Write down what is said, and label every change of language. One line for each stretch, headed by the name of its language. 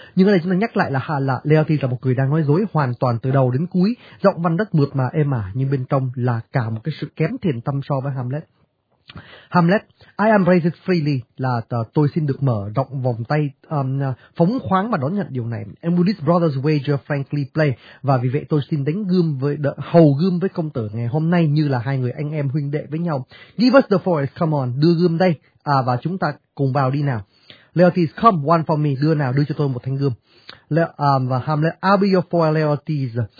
Vietnamese: Nhưng ở đây chúng ta nhắc lại là Laertes là một người đang nói dối hoàn toàn từ đầu đến cuối, giọng văn đất mượt mà êm ả, nhưng bên trong là cả một cái sự kém thiện tâm so với Hamlet. Hamlet,
English: I am raised freely,
Vietnamese: là tôi xin được mở rộng vòng tay, phóng khoáng mà đón nhận điều này.
English: And will this brother's wager frankly play?
Vietnamese: Và vì vậy tôi xin đánh gươm với hầu gươm với công tử ngày hôm nay như là hai người anh em huynh đệ với nhau.
English: Give us the foil, come on,
Vietnamese: đưa gươm đây, và chúng ta cùng vào đi nào. Laertes,
English: come one for me,
Vietnamese: đưa nào, đưa cho tôi một thanh gươm. Và Hamlet,
English: I'll be your foil, Laertes.